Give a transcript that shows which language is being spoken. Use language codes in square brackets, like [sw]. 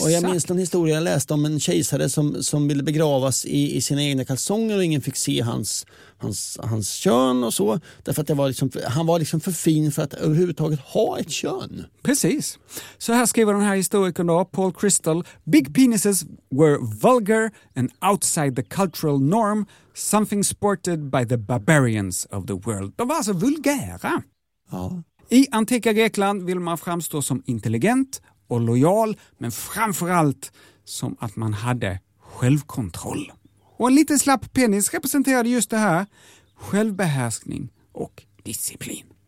[sv] Och jag minns en historia jag läste om en kejsare som ville begravas i sina egna kalsonger och ingen fick se hans kön och så. Därför att det var liksom, han var liksom för fin för att överhuvudtaget ha ett kön. Precis. Så här skriver den här historikern då, Paul Crystal. [en] Big penises were vulgar and outside the cultural norm. Something sported by the barbarians of the world. [sv] De var alltså vulgära. Ja. I antika Grekland vill man framstå som intelligent och lojal. Men framförallt som att man hade självkontroll. Och en liten slapp penis representerade just det här. Självbehärskning och disciplin.